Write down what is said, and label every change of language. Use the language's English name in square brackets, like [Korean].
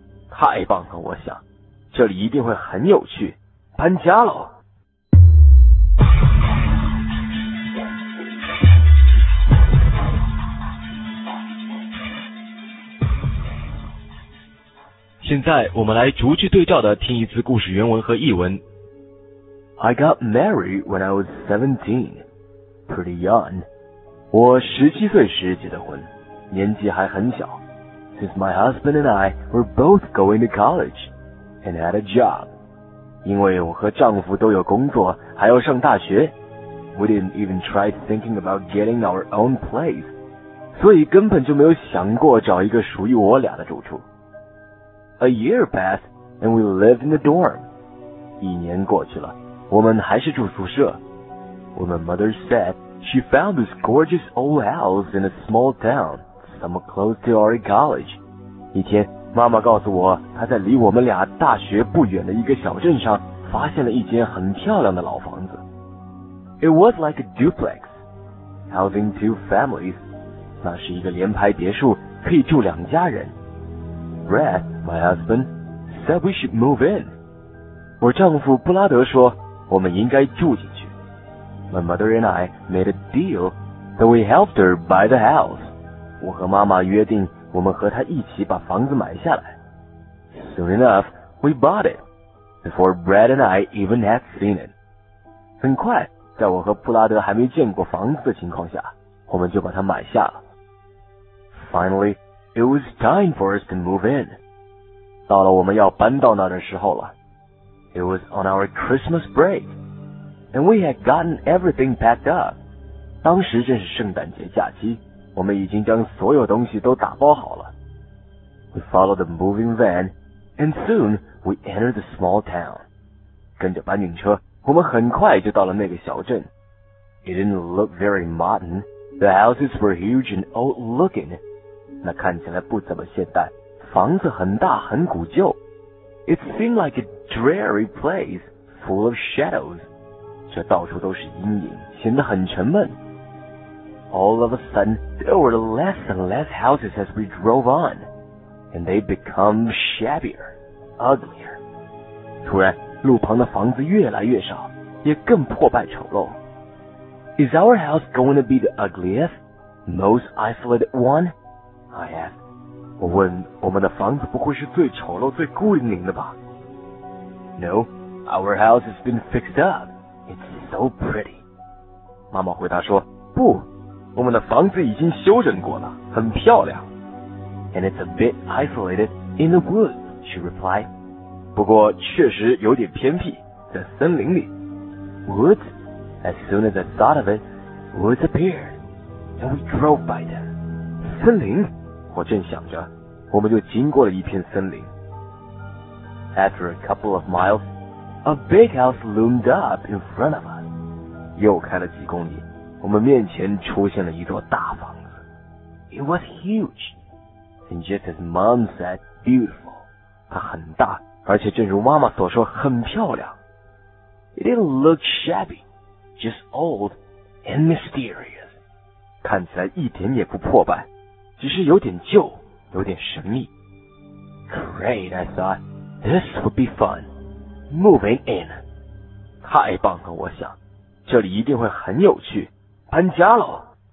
[Chinese] 太棒了，我想，这里一定会很有趣，搬家喽。现在我们来逐句对照的听一次故事原文和译文。 [English] I got married when I was 17, pretty young. [Chinese] 我17岁时结的婚，年纪还很小。 [English] Since my husband and I were both going to college and had a job. [Chinese] 因为我和丈夫都有工作还要上大学。 We didn't even try thinking about getting our own place. 所以根本就没有想过找一个属于我俩的住处。 [English] A year passed and we lived in the dorm. [Chinese] 一年过去了，我们还是住宿舍。 [English] When my mother said she found this gorgeous old house in a small town somewhere close to our college. [Chinese] 一天，妈妈告诉我，她在离我们俩大学不远的一个小镇上发现了一间很漂亮的老房子。 [English] It was like a duplex, housing two families. [Chinese] 那是一个连排别墅，可以住两家人。 [English] Brad, my husband, said we should move in. [Chinese] 我丈夫布拉德说，我们应该住进去。 [English] My mother and I made a deal that we helped her buy the house. [Chinese] 我和妈妈约定，我们和她一起把房子买下来。 [English] Soon enough, we bought it. Before Brad and I even had seen it. [Chinese] 很快，在我和布拉德还没见过房子的情况下，我们就把它买下了。 [English] Finally, it was time for us to move in. [Chinese] 到了我们要搬到那的时候了。 [English] It was on our Christmas break, and we had gotten everything packed up. [Chinese] 当时正是圣诞节假期，我们已经将所有东西都打包好了。 We followed the moving van, and soon,We entered the small town. 跟着搬运车，我们很快就到了那个小镇。 [English] It didn't look very modern. The houses were huge and old looking. [Chinese] 那看起来不怎么现代，房子很大很古旧。 [English] It seemed like a dreary place full of shadows. [Chinese] 这到处都是阴影，显得很沉闷。 [English] All of a sudden, there were less and less houses as we drove on. And they became shabbier. Uglier. [Chinese] 突然，路旁的房子越来越少，也更破败丑陋。 [English] Is our house going to be the ugliest, most isolated one? I asked. [Chinese] 我问，我们的房子不会是最丑陋、最孤零的吧？ [English] No, our house has been fixed up. It's so pretty. [Chinese] 妈妈回答说，不，我们的房子已经修整过了，很漂亮。 [English] And it's a bit isolated in the woods. [Chinese] She replied, 不过确实有点偏僻，在森林里。 [English] Woods? As soon as I thought of it, woods appeared, and we drove by them. [Chinese] 森林？我正想着，我们就经过了一片森林。 [English] After a couple of miles, a big house loomed up in front of us. [Chinese] 又开了几公里，我们面前出现了一座大房子。 [English] It was huge, and just as Mom said, beautiful. [Chinese] 它很大，而且正如妈妈所说，很漂亮。 [English] It didn't look shabby, just old and mysterious. [Chinese] 看起来一点也不破败，只是有点旧，有点神秘。 [English] Great, I thought, this would be fun, moving in. [Chinese] 太棒了，我想，这里一定会很有趣，搬家喽。